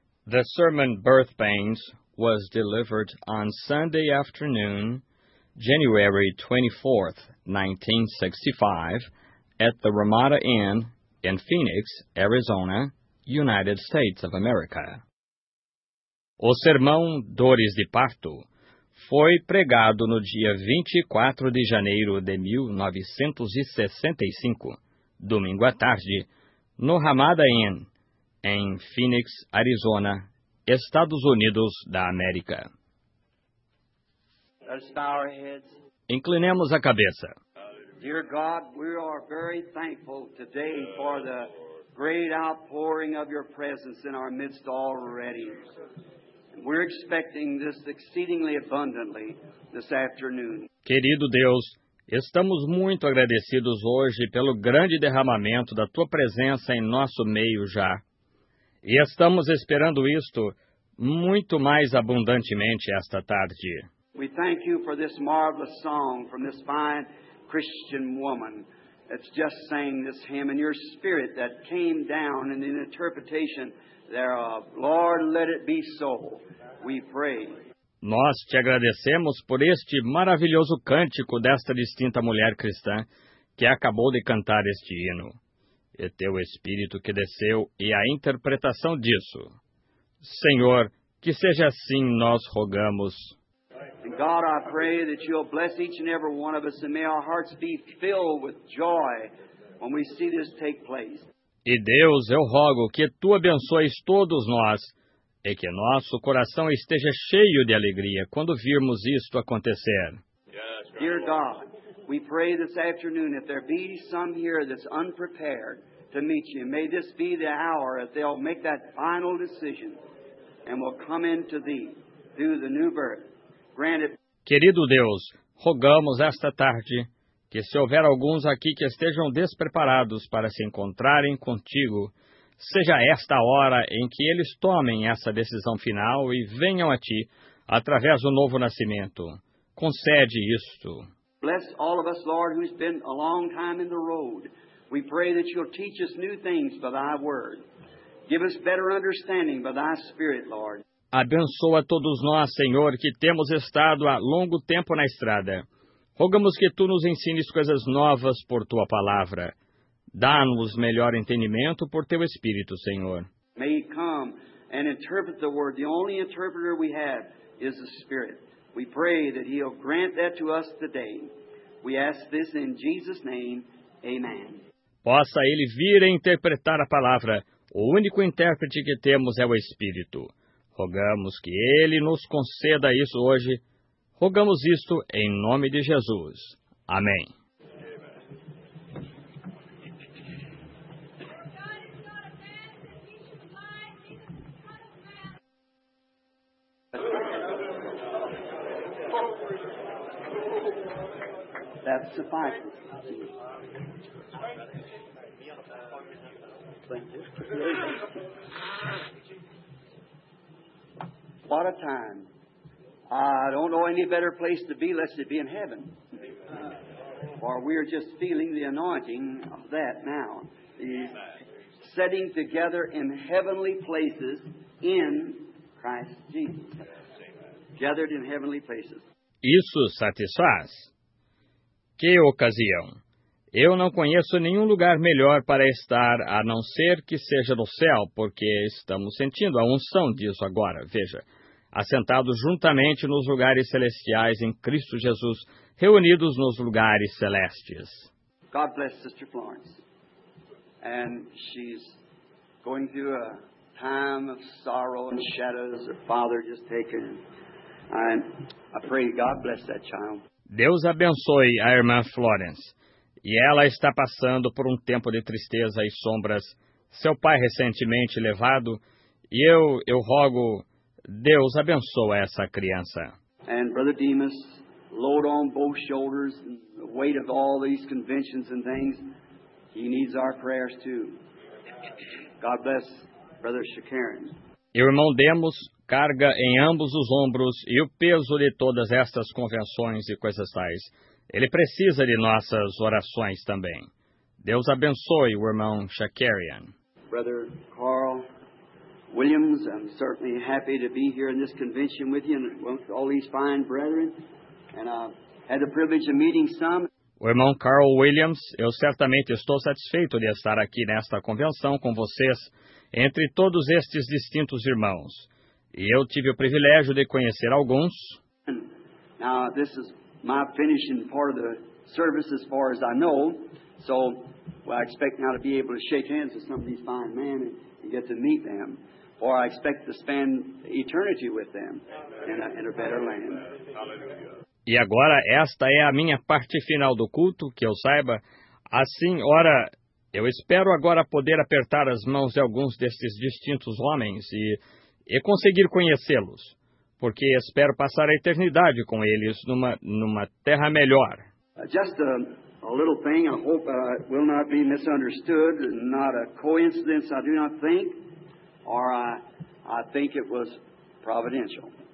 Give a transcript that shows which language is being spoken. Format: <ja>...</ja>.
<en>The sermon Birth Pains was delivered on Sunday afternoon, January 24, 1965, at the Ramada Inn in Phoenix, Arizona, United States of America.</en> <pt>O sermão Dores de Parto foi pregado no dia 24 de janeiro de 1965, domingo à tarde, no Ramada Inn, em Phoenix, Arizona, Estados Unidos da América.</pt> <en>Let's bow our heads.</en> <pt>Inclinemos a cabeça.</pt> <en>Dear God, we are very thankful today for the great outpouring of your presence in our midst already. We're expecting this exceedingly abundantly this afternoon.</en> <pt>Querido Deus, estamos muito agradecidos hoje pelo grande derramamento da tua presença em nosso meio já. E estamos esperando isto muito mais abundantemente esta tarde.</pt> <en>We thank you for this marvelous song from this fine Christian woman that's just sang this hymn and your spirit that came down in the interpretation thereof. Lord, let it be so. We pray.</en> <pt>Nós te agradecemos por este maravilhoso cântico desta distinta mulher cristã que acabou de cantar este hino. E teu Espírito que desceu e a interpretação disso. Senhor, que seja assim, nós rogamos.</pt> <en>God, I pray that you'll bless each and every one of us and may our hearts be filled with joy when we see this take place.</en> <pt>E Deus, eu rogo que tu abençoes todos nós e que nosso coração esteja cheio de alegria quando virmos isto acontecer.</pt> <en>Dear God, we pray this afternoon if there be some here that's unprepared to meet you, may this be the hour that they'll make that final decision and will come into thee through the new birth.</en> <pt>Querido Deus, rogamos esta tarde que se houver alguns aqui que estejam despreparados para se encontrarem contigo, seja esta a hora em que eles tomem essa decisão final e venham a ti através do novo nascimento. Concede isto.</pt> <en>Bless all of us, Lord, who's been a long time in the road. We pray that you'll teach us new things by thy word. Give us better understanding by thy spirit, Lord.</en> <pt>Abençoa todos nós, Senhor, que temos estado há longo tempo na estrada. Rogamos que Tu nos ensines coisas novas por Tua palavra. Dá-nos melhor entendimento por Teu Espírito, Senhor.</pt> <en>May He come and interpret the word. The only interpreter we have is the Spirit. We pray that He'll grant that to us today. We ask this in Jesus' name. Amen.</en> <pt>Possa Ele vir e interpretar a palavra. O único intérprete que temos é o Espírito. Rogamos que Ele nos conceda isso hoje. Rogamos isto em nome de Jesus. Amém.</pt> <en>That's the fight. What a time. I don't know any better place to be unless it be in heaven. For we are just feeling the anointing of that now. The setting together in heavenly places in Christ Jesus. Gathered in heavenly places.</en> <pt>Isso satisfaz? Que ocasião? Eu não conheço nenhum lugar melhor para estar, a não ser que seja no céu, porque estamos sentindo a unção disso agora, veja. Assentados juntamente nos lugares celestiais em Cristo Jesus, reunidos nos lugares celestes.</pt> <en>God bless Sister Florence. And she's going through a time of sorrow and shadows. Her father just taken. And I pray God bless that child.</en> <pt>Deus abençoe a irmã Florence. E ela está passando por um tempo de tristeza e sombras. Seu pai recentemente levado. E eu rogo... Deus abençoa essa criança.</pt> <en>And Brother Demas, load on both shoulders, the weight of all these conventions and things, he needs our prayers too. God bless Brother Shakarin.</en> <pt>Irmão Demas, carga em ambos os ombros e o peso de todas estas convenções e coisas tais. Ele precisa de nossas orações também. Deus abençoe o irmão Shakarin.</pt> <en>Brother Carl, Williams, I'm certainly happy to be here in this convention with you and with all these fine brethren. And I've had the privilege of meeting some.</en> <pt>O irmão Carl Williams, eu certamente estou satisfeito de estar aqui nesta convenção com vocês, entre todos estes distintos irmãos. E eu tive o privilégio de conhecer alguns.</pt> <en>Now, this is my finishing part of the service, as far as I know. So, well, I expect now to be able to shake hands with some of these fine men and get to meet them. Or I expect to spend eternity with them in a better land.</en> <pt>E agora esta é a minha parte final do culto, que eu saiba. Assim, ora, eu espero agora poder apertar as mãos de alguns destes distintos homens e conseguir conhecê-los, porque espero passar a eternidade com eles numa terra melhor.</pt> <en>Just a little thing, I hope I will not be misunderstood, not a coincidence, I do not think, or I think it was providential.</en>